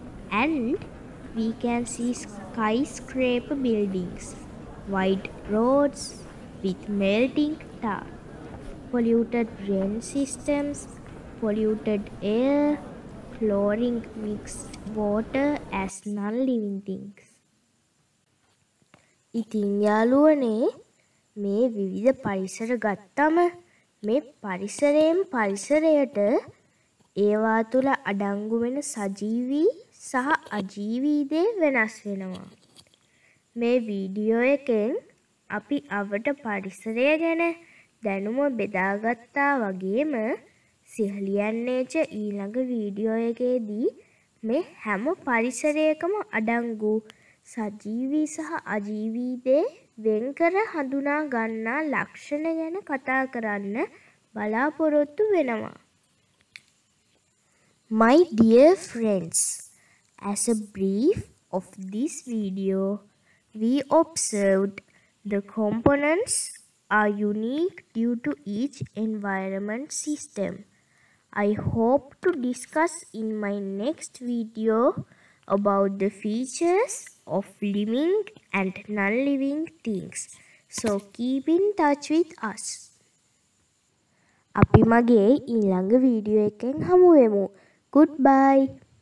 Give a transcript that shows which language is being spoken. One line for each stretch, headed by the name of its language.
English: And we can see skyscraper buildings, white roads with melting tar, polluted drain systems, polluted air, chlorine mixed water as non-living things.
Sinhala: ඉතින් යාළුවනේ මේ විවිධ පරිසර ගත්තම මේ පරිසරයෙන් පරිසරයට ඒවා තුළ අඩංගු වෙන සජීවී සහ අජීවී දේ වෙනස් වෙනවා. මේ වීඩියෝ එකෙන් අපි අපට පරිසරය ගැන දැනුම බෙදාගත්තා වගේම සිහලි ඇන්ඩ් නේචර් ඊළඟ වීඩියෝ එකේදී මේ හැම පරිසරයකම අඩංගු සජීවී සහ අජීවී දේ වෙන්කර හඳුනා ගන්නා ලක්ෂණ ගැන කතා කරන්න බලාපොරොත්තු වෙනවා.
English: My dear friends, as a brief of this video, we observed the components are unique due to each environment system. I hope to discuss in my next video about the features of living and non-living things. So keep in touch with us.
Sinhala: අපි මගේ ඊළඟ video එකෙන් හමු වෙමු. Goodbye.